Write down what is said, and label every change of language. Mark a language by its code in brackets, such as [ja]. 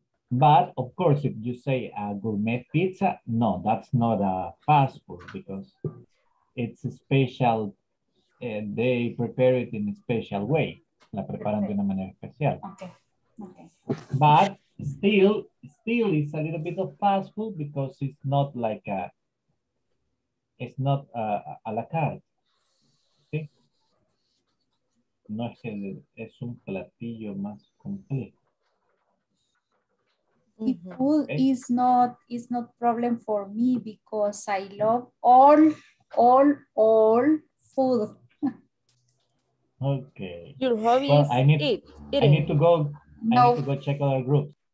[en] But, of course, if you say a gourmet pizza, no, that's not a fast food because it's a special, they prepare it in a special way. [es] La preparan de una manera especial. [en] Okay. But still it's a little bit of fast food because it's not like a, it's not a la carte, ¿sí? [es] No es que es un platillo más completo. [en] The food is not problem for me because I love all food. Okay. Your hobby I need to go check other groups.